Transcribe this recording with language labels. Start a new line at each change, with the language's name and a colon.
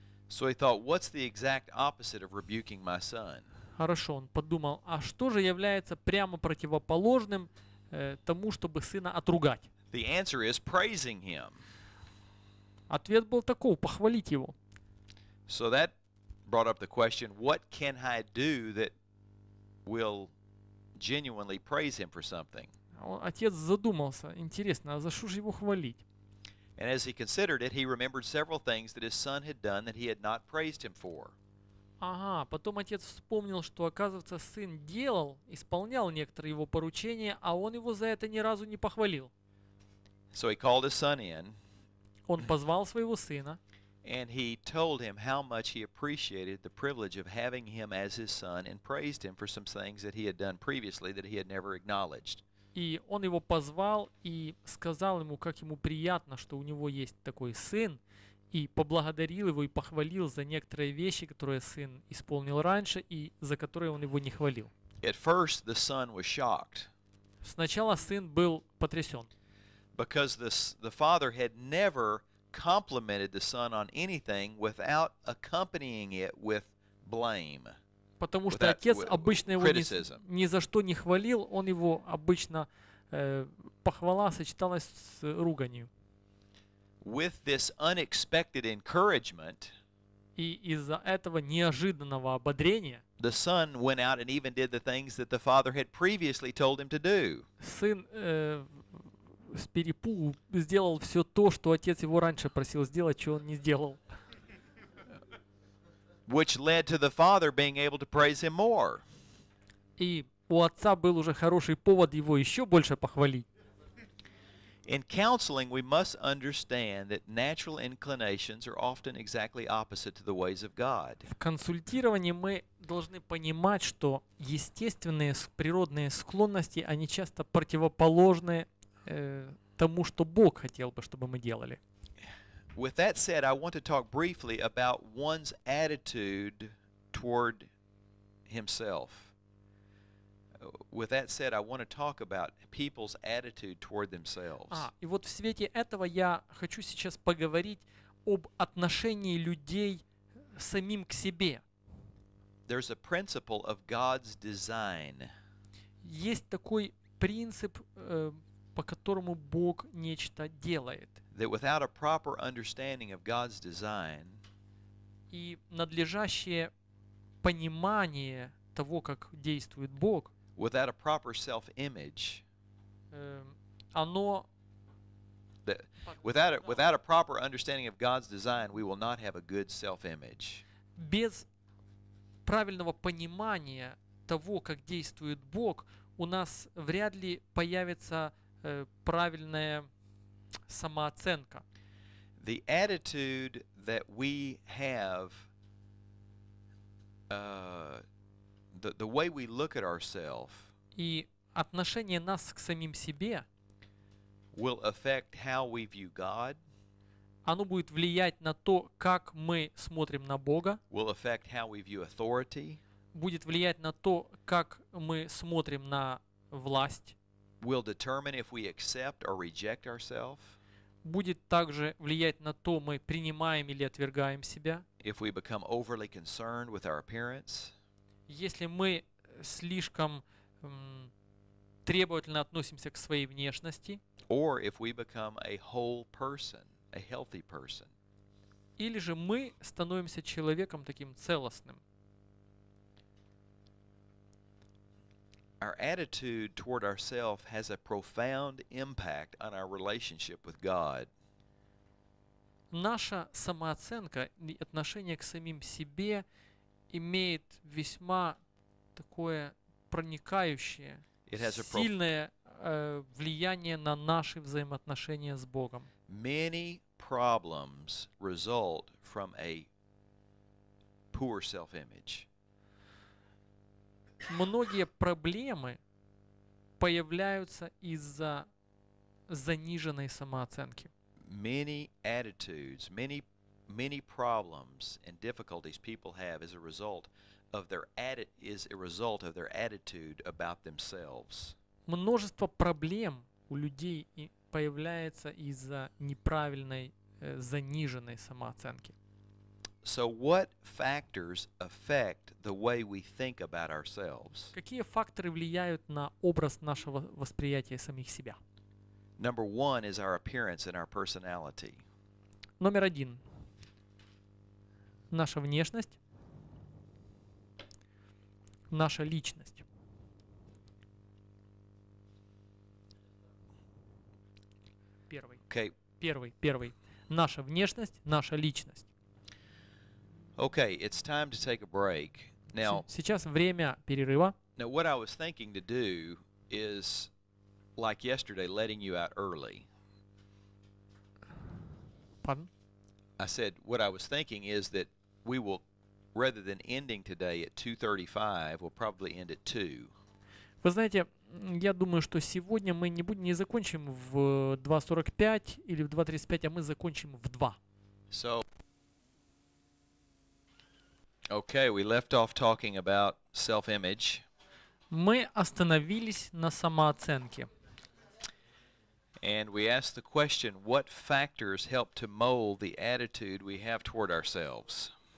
English: So he thought, what's the exact opposite of rebuking my son?
Russian: Хорошо, он подумал, а что же является прямо противоположным тому, чтобы сына отругать?
English: The answer is praising him.
Russian: Ответ был такой, похвалить его.
English: So that brought up the question, what can I do that will genuinely praise him for something?
Russian: Отец задумался, интересно, а за что же его хвалить?
English: And as he considered it, he remembered several things that his son had done that he had not praised him for.
Russian: Ага, потом отец вспомнил, что, оказывается, сын делал, исполнял некоторые его поручения, а он его за это ни разу не похвалил.
English: So he called his son in.
Russian: Он позвал своего сына.
English: And he told him how much he appreciated the privilege of having him as his son and praised him for some things that he had done previously that he had never acknowledged.
Russian: И он его позвал и сказал ему, как ему приятно, что у него есть такой сын, и поблагодарил его и похвалил за некоторые вещи, которые сын исполнил раньше и за которые он его не хвалил.
English: At first the son was shocked.
Russian: Сначала сын был потрясен.
English: Because the father had never complimented the son on anything without accompanying it with blame.
Russian: Потому что отец обычно его ни за что не хвалил, он его обычно похвала сочеталась с руганью.
English: With this unexpected encouragement,
Russian: и из-за этого неожиданного ободрения,
English: the son went out and even did the things that the father had previously told him to do.
Russian: Сын с перепугу сделал все то, что отец его раньше просил сделать, чего он не сделал.
English: Which led to the father being able to praise him more.
Russian: И у отца был уже хороший повод его еще больше похвалить.
English: In counseling, we must understand that natural inclinations are often exactly opposite to the ways of God.
Russian: В консультировании мы должны понимать, что естественные природные склонности, они часто противоположны тому, что Бог хотел бы, чтобы мы делали.
English: With that said, I want to talk briefly about one's attitude toward himself. With that said, I want to talk about people's attitude toward themselves.
Russian: А, и вот в свете этого я хочу сейчас поговорить об отношении людей самим к себе.
English: There's a principle of God's design.
Russian: Есть такой принцип по которому Бог нечто делает.
English: That without a proper understanding of God's design,
Russian: и надлежащее понимание того, как действует Бог,
English: without a proper self-image,
Russian: оно
English: without a proper understanding of God's design, we will not have a good self-image.
Russian: Без правильного понимания того, как действует Бог, у нас вряд ли появится правильная самооценка.
English: The attitude that we have, the way we look at ourselves,
Russian: и отношение нас к самим себе,
English: will affect how we view God.
Russian: Оно будет влиять на то, как мы смотрим на Бога.
English: Will affect how we view authority.
Russian: Будет влиять на то, как мы смотрим на власть.
English: Will determine if we accept or reject ourselves.
Russian: Будет также влиять на то, мы принимаем или отвергаем себя.
English: If we become overly concerned with our appearance.
Russian: Если мы слишком требовательно относимся к своей внешности.
English: Or if we become a whole person. A healthy person.
Russian: Или же мы становимся человеком таким целостным.
English: Our attitude toward ourselves has a profound impact on our relationship with God.
Russian: Наша самооценка и отношение к самим себе имеет весьма такое проникающее, сильное влияние на наши взаимоотношения с Богом.
English: Many problems result from a poor self-image.
Russian: Многие проблемы появляются из-за заниженной самооценки.
English: Many attitudes, many problems and difficulties people have is a result of their attitude about themselves.
Russian: Множество проблем у людей появляется из-за неправильной, заниженной самооценки.
English: So what factors affect the way we think about ourselves?
Russian: Какие факторы влияют на образ нашего восприятия самих себя?
English: Number one is our appearance and our personality.
Russian: Номер один. Наша внешность. Наша личность. Первый. Наша внешность, наша личность.
English: Okay, it's time to take a break. Now,
Russian: сейчас время перерыва.
English: Now, what I was thinking to do is, like yesterday, letting you out early. Pardon? I said, what I was thinking is that we will, rather than ending today at 2:35, we'll probably end at 2.
Russian: Вы знаете, я думаю, что сегодня мы не закончим в 2:45 или в 2:35, а мы закончим в 2.
English: So, okay, we left off talking about self-image.
Russian: Мы остановились на самооценке.
English: And we asked the question, what factors help to mold the attitude we have toward ourselves?